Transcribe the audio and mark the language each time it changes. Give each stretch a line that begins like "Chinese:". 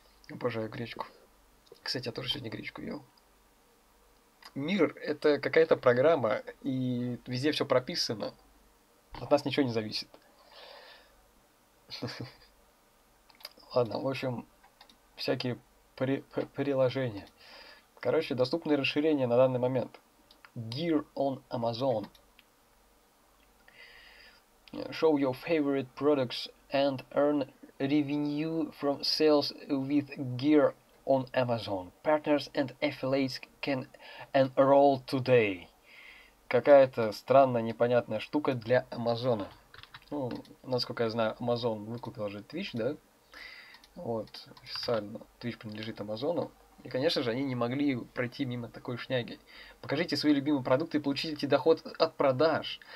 Russian: Обожаю гречку. Кстати, я тоже сегодня гречку ел. Мир — это какая-то программа, и везде все прописано. От нас ничего не зависит. Ладно, в общем, всякие приложения. Короче, доступные расширения на данный момент.
English: Gear on Amazon. Show your favorite products and earn revenue from sales with Gear on Amazon. Partners and affiliates can enroll today.
Russian: Какая-то странная, непонятная штука для Амазона. Ну, насколько я знаю, Amazon выкупил же Twitch, да? Вот, официально Twitch принадлежит Амазону. И, конечно же, они не могли пройти мимо такой шняги. Покажите свои любимые продукты и получите доход от продаж.